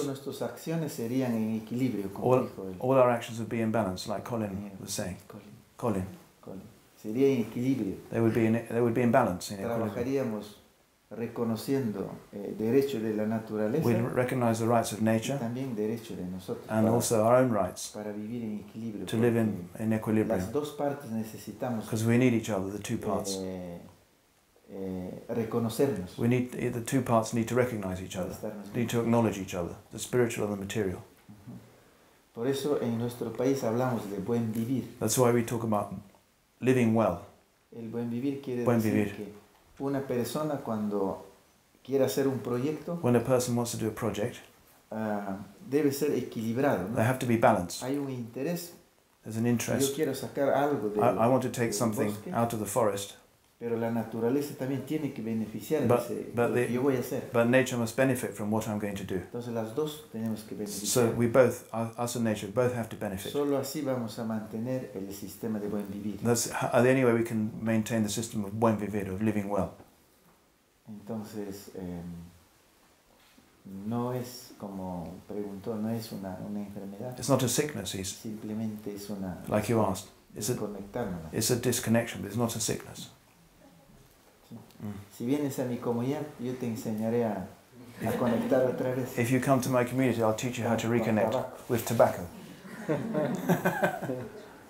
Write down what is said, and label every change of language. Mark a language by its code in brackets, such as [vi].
[es] todas nuestras acciones serían en equilibrio, como dijo [en] él. All our actions would be in balance, like Colin was saying. [es] Colin. Sería en equilibrio. [en] They would be in balance. [es] Trabajaríamos reconociendo derechos de la naturaleza. [en] We'd recognize the rights of nature. [es] Y también derechos de nosotros. [en] And also our own rights. [es] Para vivir en equilibrio. [en] To live in equilibrio. [es] Las dos partes necesitamos. [en] Because we need each other, the two parts. [es] Reconocernos. [en] We need the two parts need to recognize each other, need to acknowledge each other, the spiritual and the material. [es] Por eso en nuestro país hablamos de buen vivir. [en] That's why we talk about living well. [es] El buen vivir quiere buen decir vivir. Que una persona cuando quiere hacer un proyecto, [en] when a person wants to do a project, [es] debe ser equilibrado. ¿No? [en] They have to be balanced. [es] Hay un interés. [en] There's an interest. [es] Yo quiero sacar algo del [en] I want to take something out of the forest. [es] Pero la naturaleza también tiene que beneficiar de lo que yo voy a hacer. [en] But nature must benefit from what I'm going to do. [es] Entonces las dos tenemos que beneficiar. [en] So we both, us and nature, both have to benefit. [es] Solo así vamos a mantener el sistema de buen vivir. [en] That's the only way we can maintain the system of buen vivir, of living well. [es] Entonces, no es como preguntó, no es una enfermedad. [en] It's not a sickness, it's [es] simplemente es una... [en] Like you asked. It's a disconnection, but it's not a sickness. [es] Si vienes a mi comunidad, yo te enseñaré a conectar otra vez. [en] If you come to my community, I'll teach you how to reconnect with tobacco.